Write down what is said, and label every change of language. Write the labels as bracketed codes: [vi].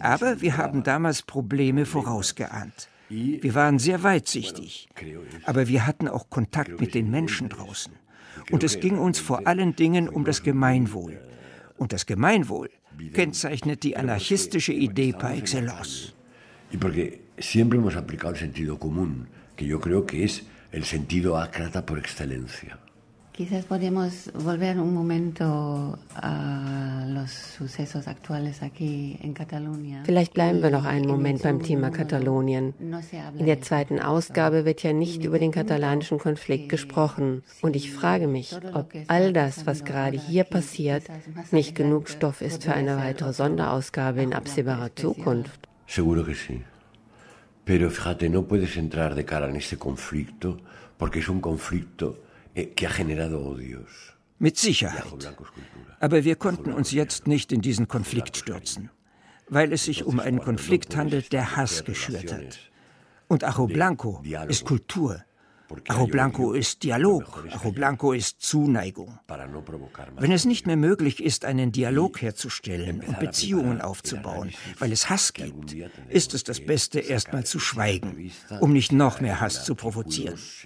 [de] Aber wir haben damals Probleme vorausgeahnt. Wir waren sehr weitsichtig, aber wir hatten auch Kontakt mit den Menschen draußen. Und es ging uns vor allen Dingen um das Gemeinwohl. Und das Gemeinwohl kennzeichnet die anarchistische Idee par excellence. [es] Y porque siempre hemos aplicado el sentido común, que yo creo que es el sentido ácrata por excelencia. Quizás podemos volver un momento a los sucesos actuales aquí en Cataluña. [de] Vielleicht bleiben wir noch einen Moment beim Thema Katalonien. In der zweiten Ausgabe wird ja nicht über den katalanischen Konflikt gesprochen. Und ich frage mich, ob all das, was gerade hier passiert, nicht genug Stoff ist für eine weitere Sonderausgabe in absehbarer Zukunft. [es] Seguro que sí. Pero fíjate, no puedes entrar de cara en este conflicto, porque es un conflicto que ha generado odios. [de] Mit Sicherheit. Aber wir konnten uns jetzt nicht in diesen Konflikt stürzen, weil es sich um einen Konflikt handelt, der Hass geschürt hat. Und Ajo Blanco ist Kultur. Ajo Blanco ist Dialog. Ajo Blanco ist Zuneigung. Wenn es nicht mehr möglich ist, einen Dialog herzustellen und Beziehungen aufzubauen, weil es Hass gibt, ist es das Beste, erstmal zu schweigen, um nicht noch mehr Hass zu provozieren.